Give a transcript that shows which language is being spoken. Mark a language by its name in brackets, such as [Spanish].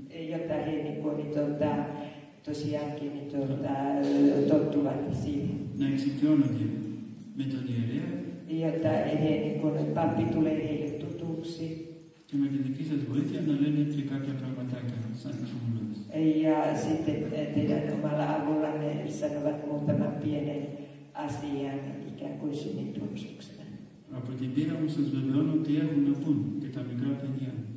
[Finnish] Jotta he niin kuin, tosiaankin tottuvat siihen. [Greek] Να εξοικειώνονται με τον ιερέα. [Finnish] Jotta he niin kuin, pappi tulee heille tutuksi. [Greek] Και με τη δική σας βοήθεια να λένε και κάποια πραγματάκια σαν εξομολόγηση. [Finnish] Ja sitten teidän omalla avullanne sanovat muutaman pienen asian ikään kuin synnin tunnustuksena. [Greek] Από την πείρα μου σας βεβαιώνω ότι έχουν να πούν και τα μικρά παιδιά.